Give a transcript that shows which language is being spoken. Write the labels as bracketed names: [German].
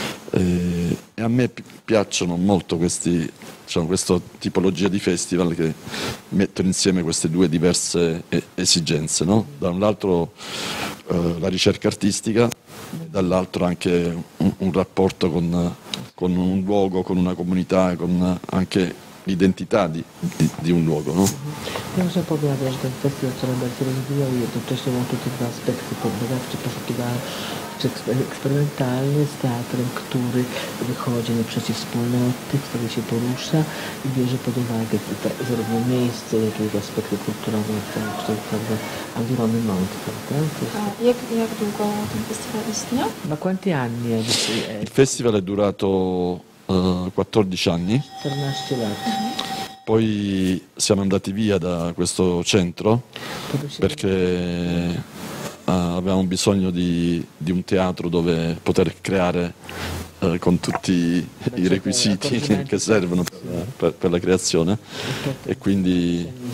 [Italian] E a me piacciono molto questi, diciamo, questa tipologia di festival che mettono insieme queste due diverse esigenze, no? Da un lato la ricerca artistica, dall'altro anche un rapporto con un luogo, con una comunità, con anche l'identità di un luogo, no? [Polish] Muszę powiedzieć, że ten festival coraz bardziej rozwijał i jednocześnie mam tutaj dwa aspekty pobudowcze, poszukiwawczy, eksperymentalny z teatrem, który wychodzi naprzeciw wspólnoty, który się porusza i bierze pod uwagę zarówno miejsce, jak i aspekty kulturowe, jak to jest prawda, environment, prawda? Jak długo ten festiwal istniał? [Italian] Ma quanti anni? Il festival è durato 14 anni. 14 anni. Poi siamo andati via da questo centro perché avevamo bisogno di un teatro dove poter creare con tutti i requisiti che servono per la creazione e quindi...